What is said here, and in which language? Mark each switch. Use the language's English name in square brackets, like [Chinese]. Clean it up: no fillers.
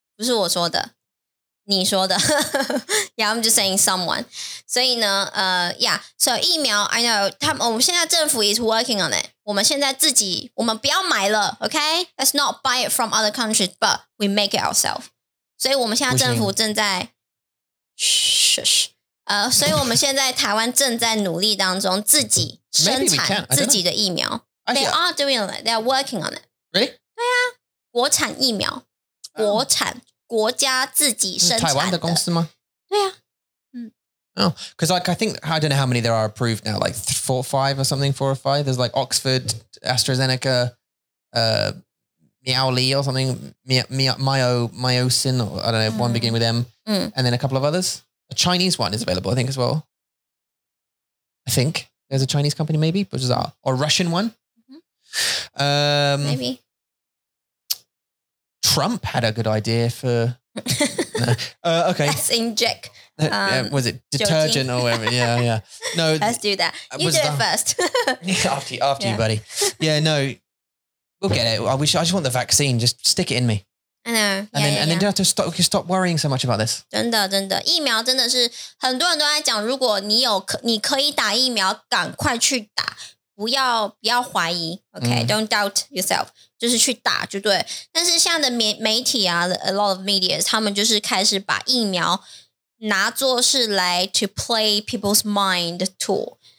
[Chinese] 不是我说的。你说的, [English] yeah, I'm just saying someone. [Chinese] 所以呢, [English] yeah, so 疫苗, I know, [Chinese] 我们现在政府 [English] is working on it. [Chinese] 我们现在自己, 我们不要买了, okay? [English] Let's not buy it from other countries, but we make it ourselves. [Chinese] 所以我们现在政府正在, shush, 所以我们现在台湾正在努力当中, 自己生产自己的疫苗. [English] They are doing it, they are working on it. Really? [Chinese] 对啊, 国产疫苗, 国产。国家自己生产的。台湾的公司吗? 对啊。嗯。 [English] Oh, because like, I think, I don't know how many there are approved now, like 4 or 5 or something, 4 or 5. There's like Oxford, AstraZeneca, Miaoli or something, Myosin, or I don't know, one beginning with M, and then a couple of others. A Chinese one is available, I think, as well. I think there's a Chinese company maybe, which is a Russian one. Mm-hmm. Maybe. Trump had a good idea for, no. Okay. Let's inject. Was it detergent joking. Or whatever? Yeah, yeah. No. Let's do that. You do it first. after you, buddy. Yeah, no. We'll get it. I just want the vaccine. Just stick it in me. I know. And then you don't have to stop worrying so much about this. [Chinese] 真的。疫苗真的是很多人都在讲,如果你可以打疫苗,赶快去打。不要怀疑, okay? [English] Don't doubt yourself. [Chinese] 就是去打就对。但是像的媒体啊, [English] a lot of medias, [Chinese] 他们就是开始把疫苗拿作是来 [English] to play people's mind tool.